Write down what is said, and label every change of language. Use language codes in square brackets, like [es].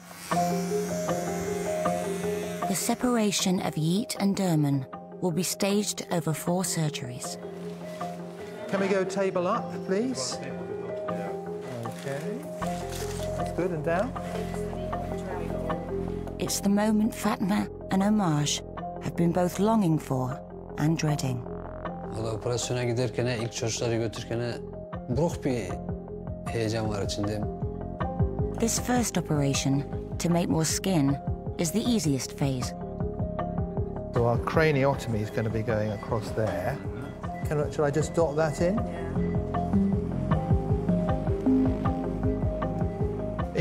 [en] The separation of Yit and Dharman will be staged over four surgeries. Can we go table up, please? Okay. Good, and down. It's the moment Fatma and Omaj have been both longing for and dreading. [tr] Vallahi operasyona giderken, ilk çocukları götürken, ruh bir heyecan var içinde. [en] This first operation, to make more skin, is the easiest phase. So our craniotomy is going to be going across there. Shall I just dot that in? Yeah.